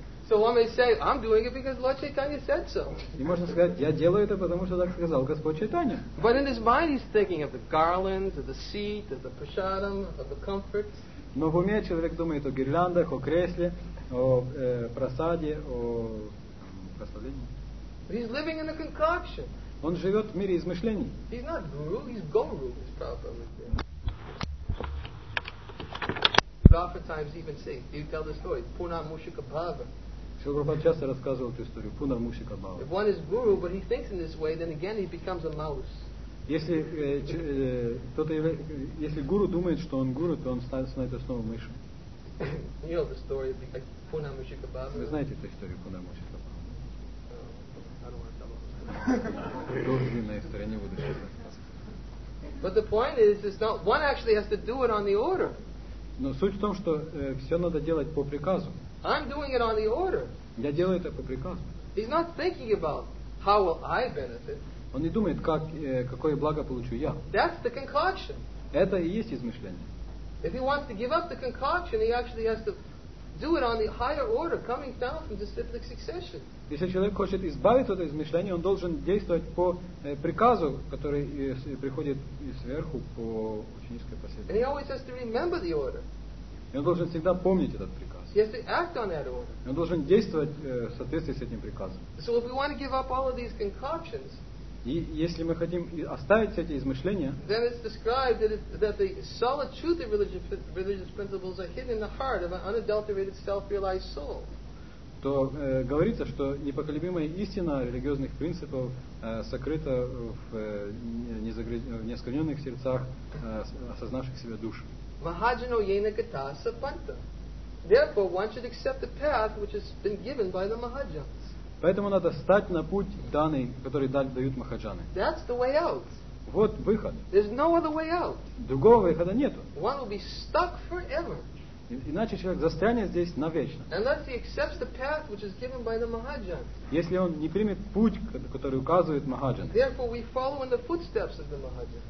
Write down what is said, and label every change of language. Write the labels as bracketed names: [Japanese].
[English] So one may say, I'm doing it because Lord Chaitanya said so. [Russian] И можно сказать, я делаю это, потому что так сказал Господь Чайтанья. [English] But in his mind he's thinking of the garlands, of the seat, of the prasadam, of the comforts. [Russian] Но в уме человек думает о гирляндах, о кресле, о просаде, о прославлении. [English] He's living in a concoction. [Russian] Он живет в мире измышлений. [English] He's not guru, he's guru, is probably. But oftentimes even say, you tell the story, Puna Mushika Bhava. [Russian] Шрила Прабхупада часто рассказывал эту историю, Пуна Мушика Бхава. [English] If one is guru, but he thinks in this way, then again he becomes a mouse. [Russian] Если кто-то, если гуру думает, что он гуру, то он становится снова мышью. [English] You know the story of Puna Mushika Bhava. [Russian] Вы знаете эту историю Пуна Мушика Бхава? [English] I don't want to tell it. [Russian] Долгая история, не буду сейчас рассказывать. [English] But the point is, it's not one actually has to do it on the order. [Russian] Но суть в том, что все надо делать по приказу. [English] I'm doing it on the order. [Russian] Я делаю это по приказу. [English] He's not thinking about how will I benefit. [Russian] Он не думает, как, какое благо получу я. [English] That's the concoction. [Russian] Это и есть измышление. [English] If he wants to give up the concoction, he actually has to do it on the higher order, coming down from the cyclic succession. [Russian] Если человек хочет избавиться от измышления, он должен действовать по приказу, который приходит сверху по ученической последовательности. [English] And he always has to remember the order. [Russian] И он должен всегда помнить этот приказ. [English] He has to act on that order. [Russian] Он должен действовать в соответствии с этим приказом. [English] So if we want to give up all of these concoctions. [Russian] И если мы хотим оставить все эти измышления, [English] then it's described that the solid truth of religious principles are hidden in the heart of an unadulterated self-realized soul. [Russian] То говорится, что непоколебимая истина религиозных принципов сокрыта в неоскверненных сердцах осознавших себя душ. [Sanskrit] Mahajano yena kata sapanta. [English] Therefore, one should accept the path which has been given by the Mahajans. [Russian] Поэтому надо встать на путь данный, который дают махаджаны. [English] That's the way out. [Russian] Вот выход. [English] There's no other way out. [Russian] Другого выхода нет. [English] One will be stuck forever. [Russian] Иначе человек застрянет здесь навечно. [English] Unless he accepts the path which is given by the Mahajans. [Russian] Если он не примет путь, который указывает махаджан. [English] Therefore we follow in the footsteps of the Mahajans.